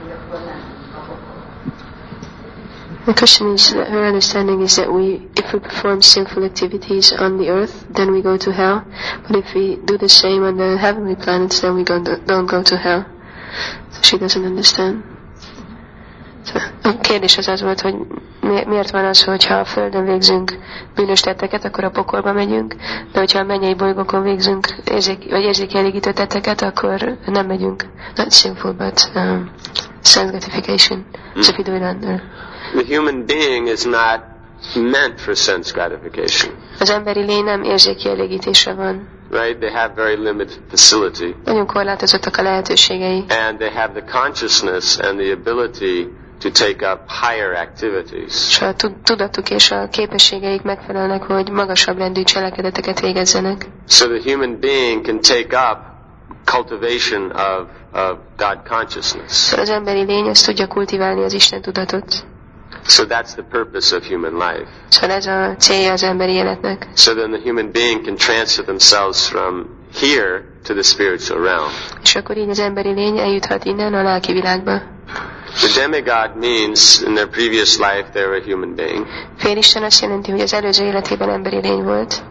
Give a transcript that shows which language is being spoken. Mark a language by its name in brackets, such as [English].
[English] The question is, her understanding is that if we perform sinful activities on the earth, then we go to hell. But if we do the same on the heavenly planets, then we don't go to hell. So she doesn't understand. [Hungarian] So, a kérdés az az volt, hogy miért van az, hogyha a Földön végzünk bűnös tetteket, akkor a pokolba megyünk, de hogyha a mennyei bolygókon végzünk érzékelégítő tetteket, akkor nem megyünk. [English] Not sinful, but sense gratification. So if we do it under. The human being is not meant for sense gratification. [Hungarian] Az emberi lény nem érzékielégítése van. [English] Right? They have very limited facility. [Hungarian] Nagyon korlátozottak a lehetőségei. [English] And they have the consciousness and the ability to take up higher activities. [Hungarian] A tudatuk és a képességeik megfelelnek, hogy magasabb rendű cselekedeteket végezzenek. [English] So the human being can take up cultivation of God consciousness. [Hungarian] Az emberi lény azt tudja kultiválni az Isten tudatot. [English] So that's the purpose of human life. [Hungarian] So ez a célja az emberi életnek. [English] So then the human being can transfer themselves from here to the spiritual realm. [Hungarian] És akkor így az emberi lény eljuthat innen a lelki világba. [English] The demigod means in their previous life they were a human being. [Hungarian] Félisten azt jelenti, hogy az előző életében emberi lény volt.